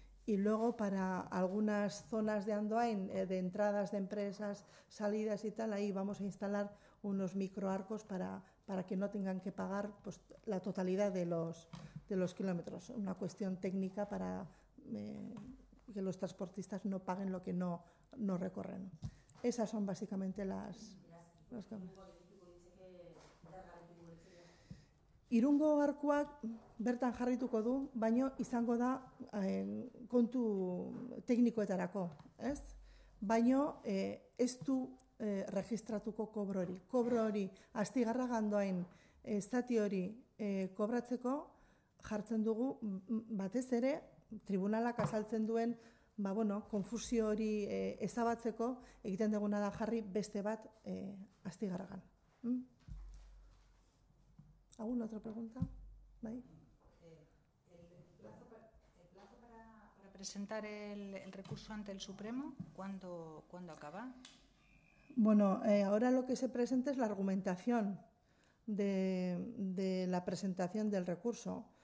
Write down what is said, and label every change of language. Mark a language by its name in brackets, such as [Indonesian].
[Spanish] Y luego para algunas zonas de Andoain, de entradas de empresas, salidas y tal, ahí vamos a instalar unos microarcos para que no tengan que pagar pues, la totalidad de los kilómetros. Una cuestión técnica para que los transportistas no paguen lo que no recorren. Esas son básicamente las cambios. [Basque] Irungo arkuak bertan jarrituko du, baino izango da kontu teknikoetarako, ez? Baino ez du registratuko kobro hori. Kobro hori Astigarraga-Andoain zati hori kobratzeko jartzen dugu batez ere tribunalak azaltzen duen konfusio hori ezabatzeko egiten duguna da jarri beste bat Astigarragan. [Spanish] ¿Alguna otra pregunta? ¿Vai? ¿El plazo para presentar el recurso ante el Supremo, ¿cuándo acaba? Bueno, ahora lo que se presenta es la argumentación de la presentación del recurso.